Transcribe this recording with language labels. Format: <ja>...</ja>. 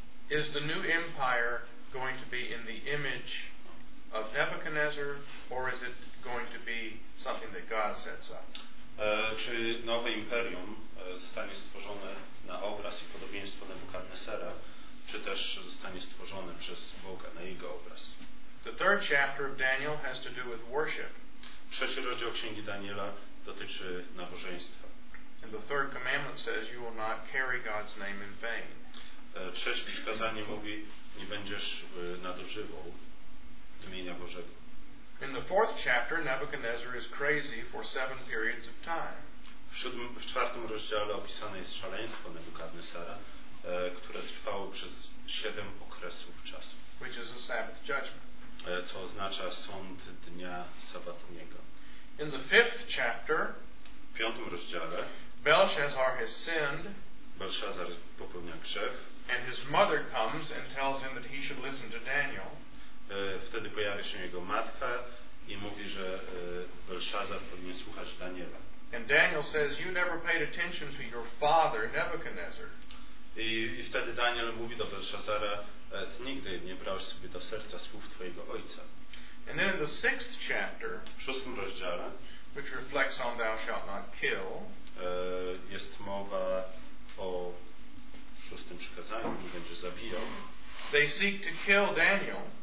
<en>Is the new empire going to be in the image of Nebuchadnezzar, or is it going to be something that God sets up?</en> <pl>Czy nowe imperium zostanie stworzone na obraz i podobieństwo Nebukadnesera, czy też zostanie stworzone przez Boga na jego obraz?</pl> <en>The third chapter of Daniel has to do with worship.</en> <pl>Trzeci rozdział księgi Daniela dotyczy nabożeństwa.</pl> <en>And the third commandment says you will not carry God's name in vain.</en> <pl>Trzecie przykazanie mówi, nie będziesz nadużywał imienia Bożego.</pl> <en>In the fourth chapter, Nebuchadnezzar is crazy for seven periods of time.</en> <pl>W czwartym rozdziale opisane jest szaleństwo Nebukadnesara, które trwało przez siedem okresów czasu.</pl> <en>Which is a Sabbath judgment.</en> <pl>Co oznacza sąd dnia sabatniego.</pl> <en>In the fifth chapter,</en> <pl>w piątym rozdziale,</pl> <en>Belshazzar has sinned.</en> <pl>Belshazzar popełnia grzech.</pl> <en>And his mother comes and tells him that he should listen to Daniel.</en> <pl>Wtedy pojawia się jego matka i mówi, że Belshazzar powinien słuchać Daniela.</pl> <en>And Daniel says, you never paid attention to your father, Nebuchadnezzar.</en> <pl>I wtedy Daniel mówi do Belszazara, ty nigdy nie brałeś sobie do serca słów twojego ojca.</pl> <en>And then in the sixth chapter,</en> <pl>w szóstym rozdziale,</pl> <en>which reflects on thou shalt not kill,</en> <pl>jest mowa o szóstym przykazaniu, nie będzie zabijał.</pl> <en>They seek to kill Daniel.</en>